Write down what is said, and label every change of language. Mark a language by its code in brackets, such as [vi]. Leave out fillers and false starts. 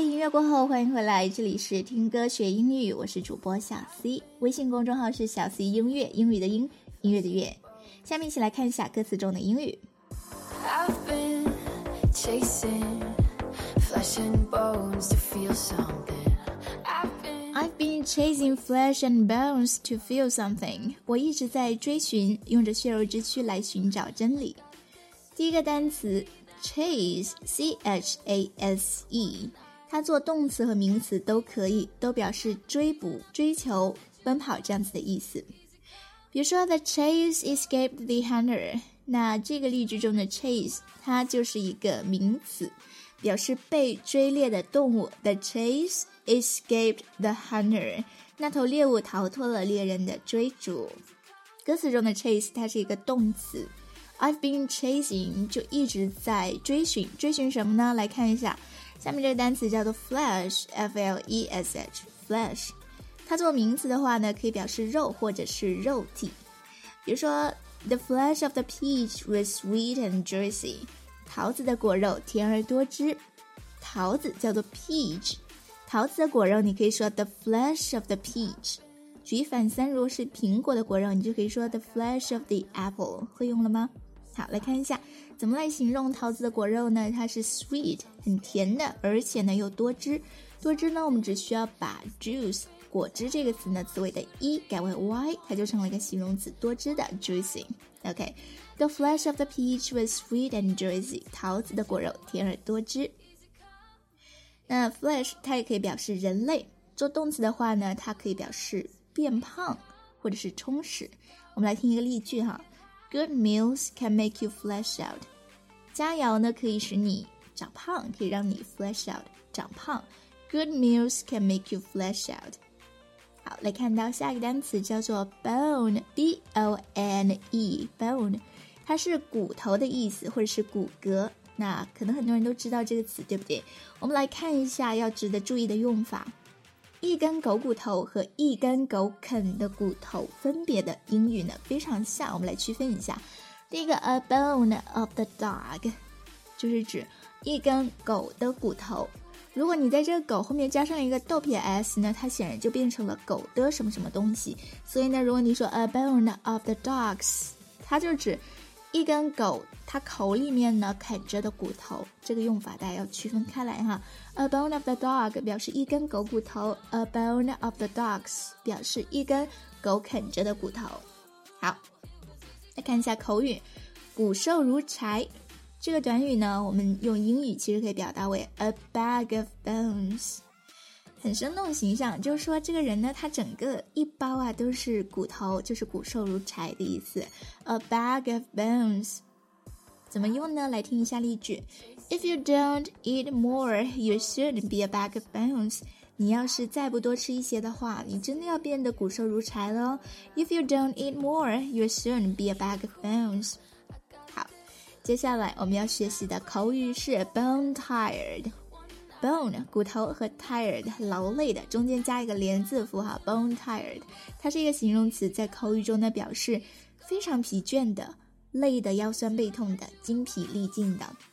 [zh] 过后，欢迎回来，这里是听歌学英语，我是主播小 C， 微信公众号是小 C 音乐，英语的音，音乐的乐。下面一起来看一下歌词中的英语。 [en] I've been chasing flesh and bones to feel something. I've been chasing flesh and bones to feel something. [zh] 我一直在追寻，用着血肉之躯来寻找真理。第一个单词 chase， C-H-A-S-E，它做动词和名词都可以，都表示追捕、追求、奔跑这样子的意思。比如说 [en] The chase escaped the hunter， [zh] 那这个例句中的 chase 它就是一个名词，表示被追猎的动物。 [en] The chase escaped the hunter， [zh] 那头猎物逃脱了猎人的追逐。歌词中的 chase 它是一个动词， [en] I've been chasing [zh] 就一直在追寻。追寻什么呢？来看一下下面这个单词叫做 flesh， F-L-E-S-H， flesh， 它做名词的话呢，可以表示肉或者是肉体。比如说 [en] The flesh of the peach was sweet and juicy， [zh] 桃子的果肉甜而多汁。桃子叫做 peach， 桃子的果肉你可以说 [en] The flesh of the peach。 [zh] 举一反三，如果是苹果的果肉，你就可以说 [en] The flesh of the apple， [zh] 会用了吗？好，来看一下怎么来形容桃子的果肉呢？它是 sweet, 很甜的，而且呢又多汁。多汁呢，我们只需要把 juice, 果汁这个词呢，词尾的 e 改为 y, 它就成了一个形容词，多汁的 juicing。 [en] OK, the flesh of the peach was sweet and juicy, [zh] 桃子的果肉甜而多汁。那 flesh 它也可以表示人类，做动词的话呢，它可以表示变胖或者是充实。我们来听一个例句哈。 [en] Good meals can make you flesh out. [zh] 佳肴呢可以使你长胖，可以让你 [en] flesh out, [zh] 长胖。 [en] Good meals can make you flesh out. [zh] 好，来看到下一个单词叫做 bone, B-O-N-E, bone. 它是骨头的意思或者是骨骼。那可能很多人都知道这个词，对不对？我们来看一下要值得注意的用法。一根狗骨头和一根狗啃的骨头分别的英语呢非常像，我们来区分一下。第一个 [en] a bone of the dog [zh] 就是指一根狗的骨头，如果你在这个狗后面加上一个逗撇 s 呢，它显然就变成了狗的什么什么东西。所以呢，如果你说 [en] a bone of the dogs, [zh] 它就指一根狗它口里面呢啃着的骨头，这个用法大家要区分开来哈。 [en] A bone of the dog [zh] 表示一根狗骨头， [en] A bone of the dogs [zh] 表示一根狗啃着的骨头。好，来看一下口语，骨瘦如柴这个短语呢，我们用英语其实可以表达为 [en] A bag of bones, [zh] 很生动形象，就是说这个人呢他整个一包啊都是骨头，就是骨瘦如柴的意思。 [en] A bag of bones [zh] 怎么用呢？来听一下例句。 [en] If you don't eat more, you shouldn't be a bag of bones. [zh] 你要是再不多吃一些的话，你真的要变得骨瘦如柴了。 [en] If you don't eat more, you shouldn't be a bag of bones. [zh] 好，接下来我们要学习的口语是 bone tired. Bone, 骨头和 tired, 劳累的，中间加一个连字符号 bone tired. 它是一个形容词，在口语中呢表示非常疲倦的，累得腰酸背痛的，精疲力尽的。